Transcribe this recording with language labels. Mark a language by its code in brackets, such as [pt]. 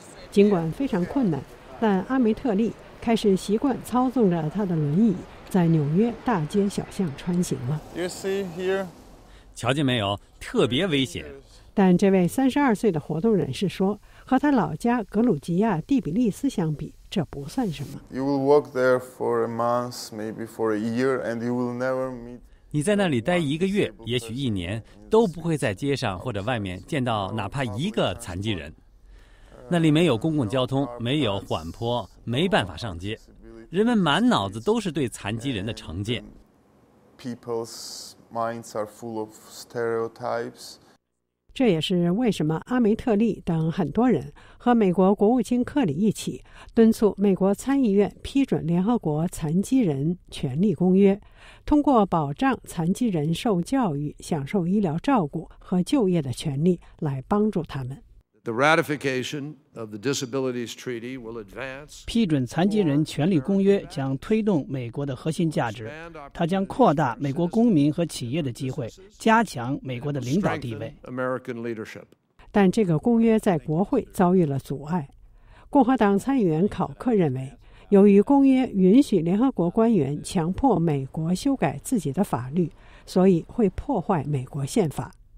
[zh] 尽管非常困难，但阿梅特利开始习惯操纵着他的轮椅在纽约大街小巷穿行了。瞧见没有，特别危险，但这位32岁的活动人士说，和他老家格鲁吉亚第比利斯相比，这不算什么。 [en] You will work there for a month, maybe for a year, and you will never meet. [zh] 你在那里待一个月，也许一年，都不会在街上或者外面见到哪怕一个残疾人。那里没有公共交通，没有缓坡，没办法上街。人们满脑子都是对残疾人的成见。 [en] People's minds are full of stereotypes. [zh] 这也是为什么阿梅特利等很多人和美国国务卿克里一起敦促美国参议院批准联合国残疾人权利公约，通过保障残疾人受教育、享受医疗照顾和就业的权利来帮助他们。 [en] The ratification of the Disabilities Treaty will advance. [zh] 批准残疾人权利公约将推动美国的核心价值，它将扩大美国公民和企业的机会，加强美国的领导地位。 [en] American leadership. [zh] 但这个公约在国会遭遇了阻碍。共和党参议员考克认为，由于公约允许联合国官员强迫美国修改自己的法律，所以会破坏美国宪法。